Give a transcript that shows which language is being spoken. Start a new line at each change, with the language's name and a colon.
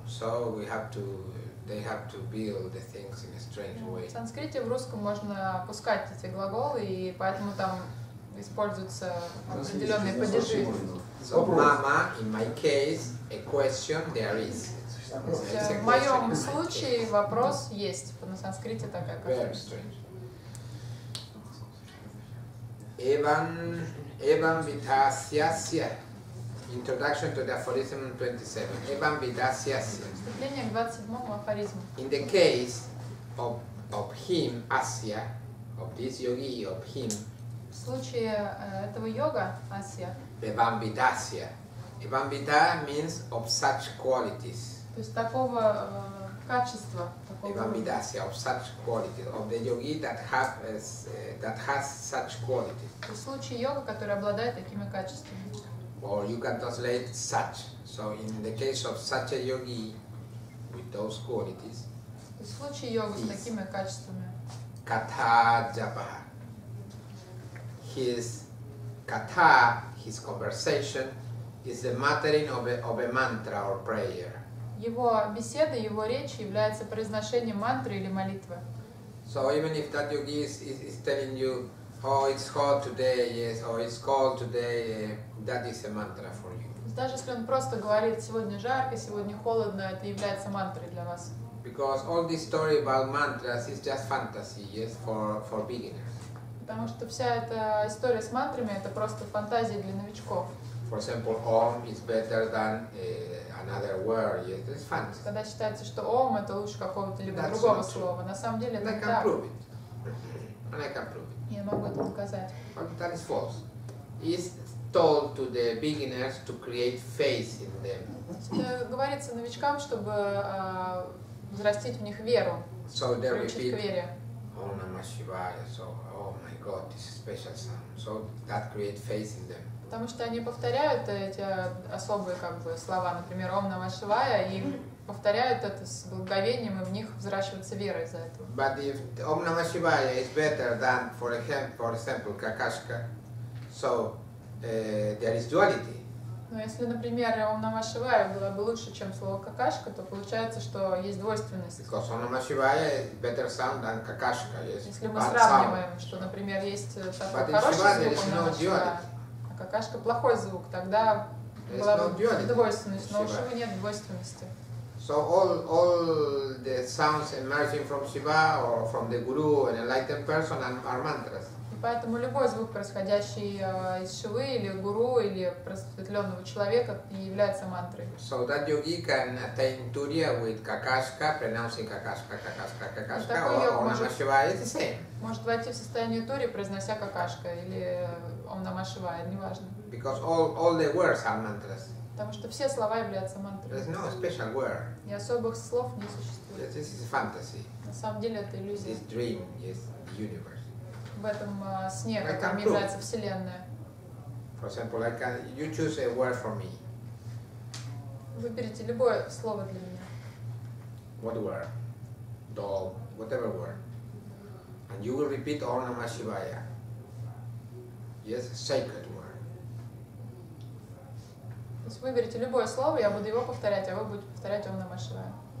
English: So we have to, they have to build the things in a strange way.
Russian: В санскрите, в русском можно опускать эти глаголы, и поэтому там используются определенные падежи.
English: So mama, in my case, a question there is.
Russian: В моем случае вопрос есть, на санскрите такая
English: как. Very strange. Evan, Evan Vidasyasya. Introduction to the aphorism 27.
Sanskrit: Evan Vidasyasya.
Russian: Вступление к 27-му афоризму.
English: In the case of him, Asya, of this yogi, of him.
Russian: В случае этого йога, Asya.
English: Evan Vidasya. Evan Vida means of such qualities.
Russian: То есть такого качества, такого.
English: Evan Vidasya, of such quality, of the yogi that has such quality.
Russian: В случае йога, который обладает такими качествами.
English: Or you can translate such. So in the case of such a yogi with those qualities.
Russian: В случае йога с такими качествами.
English: Katha Japaha. His katha, his conversation, is the muttering of a mantra or prayer.
Russian: Его беседа, его речь является произношением мантры или молитвы.
English: So even if that yogi is telling you, oh, it's hot today, yes, or it's cold today, that is a mantra for you.
Russian: Даже если он просто говорит, сегодня жарко, сегодня холодно, это является мантрой для вас.
English: Because all this story about mantras is just fantasy, yes, for beginners.
Russian: Потому что вся эта история с мантрами это просто фантазия для новичков.
English: For example, Om is better than another word. Yes, it's fantasy.
Russian: Когда считается, что Om это лучше какого-то либо другого слова, на самом деле это
English: так. And I can prove it. And I can prove it.
Russian: Я могу это показать.
English: But that is false. It's told to the beginners to create faith in them.
Russian: Говорится новичкам, чтобы взрастить в них веру.
English: So they repeat. Om Namah Shivaya. So, oh my God, this is special sound. So that create faith in them.
Russian: Потому что они повторяют эти особые как бы слова, например, Ом Намах Шивая, и повторяют это с благоговением, и в них взращивается вера из-за этого.
English: But if Om Namah Shivaya is better than, for example, Kakashka, so there is duality.
Russian: Но если, например, Om Namah Shivaya было бы лучше, чем слово Какашка, то получается, что есть двойственность.
English: Because Om Namah Shivaya is better sound than Kakashka.
Russian: Если мы сравниваем, что, например, есть такой хороший звук, а Какашка плохой звук, тогда была бы двойственность. Но у Шивы нет двойственности.
English: So all the sounds emerging from Shiva or from the Guru, an enlightened person, and are mantras.
Russian: Поэтому любой звук, происходящий из Шивы или Гуру или просветленного человека, является мантрой.
English: So that yogi can attain Turiya with Kakashka, pronouncing Kakashka, Kakashka, Kakashka, or Namah Shivaya, it's the same.
Russian: Может войти в состояние Турии, произнося Какашка или Ом Намах Шивая, неважно.
English: Because all the words are mantras.
Russian: Потому что все слова являются мантрой.
English: There's no special word.
Russian: И особых слов не существует.
English: Yes, this is fantasy.
Russian: На самом деле это иллюзия.
English: This dream is universe.
Russian: В этом сне, которым является Вселенная.
English: For example, you choose a word for me.
Russian: Выберите любое слово для меня.
English: What word? Doll. Whatever word. And you will repeat Om Namah Shivaya. Yes, sacred word.
Russian: То есть выберите любое слово, я буду его повторять, а вы будете повторять Om Namah Shivaya.